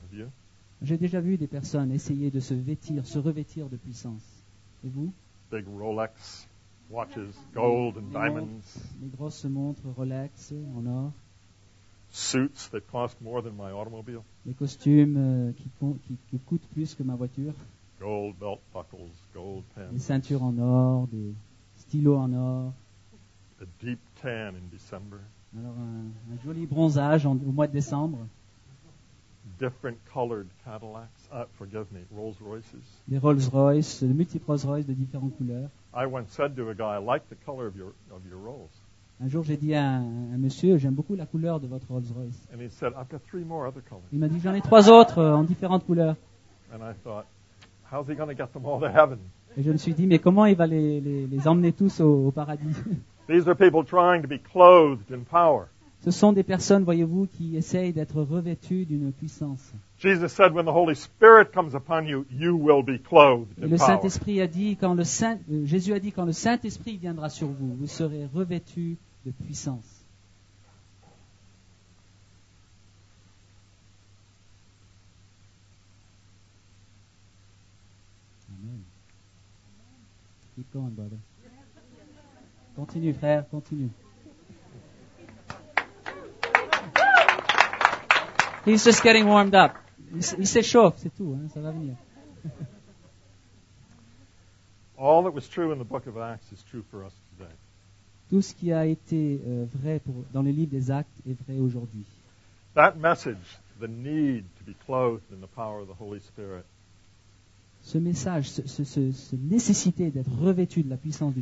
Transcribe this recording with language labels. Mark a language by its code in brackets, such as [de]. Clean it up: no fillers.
[en] Have you? [fr] J'ai déjà vu des personnes essayer de se revêtir de puissance. Et vous? [en] Big Rolex watches, gold and diamonds. [fr] Les grosses montres Rolex en or. [en] Suits that cost more than my automobile. [fr] Les costumes qui coûtent plus que ma voiture. [en] Gold belt buckles, gold pins. [fr] Les ceintures en or, des stylo en or. [en] A deep tan in December. [fr] Alors un joli bronzage au mois de décembre. [en] Different colored Cadillacs. Forgive me, Rolls Royces. [fr] Des Rolls Royce, de multiples Rolls Royce de différentes couleurs. [en] I once said to a guy, "I like the color of your Rolls." [fr] Un jour, j'ai dit à un monsieur, "J'aime beaucoup la couleur de votre Rolls Royce." [en] And he said, "I've got three more other colors." [fr] Il m'a dit, "J'en ai trois autres en différentes couleurs." [en] And I thought, "How's he going to get them all to heaven?" [fr] Et je me suis dit, mais comment il va les emmener tous au paradis? [en] These are people trying to be clothed in power. [fr] Ce sont des personnes, voyez-vous, qui essayent d'être revêtues d'une puissance. [en] Jesus said, when the Holy Spirit comes upon you, you will be clothed in power. [fr] Le Saint-Esprit a dit, Jésus a dit, quand le Saint-Esprit viendra sur vous, vous serez revêtus de puissance. [en] Keep going, brother. [fr] Continue, frère, continue. [en] He's just getting warmed up. [fr] Il s'échauffe, c'est tout, hein, ça va venir. [en] All that was true in the book of Acts is true for us today. [fr] Tout ce qui a été vrai dans le livre des Actes est vrai aujourd'hui. [en] That message, the need to be clothed in the power of the Holy Spirit. [fr] Ce message, cette nécessité d'être revêtu de la puissance du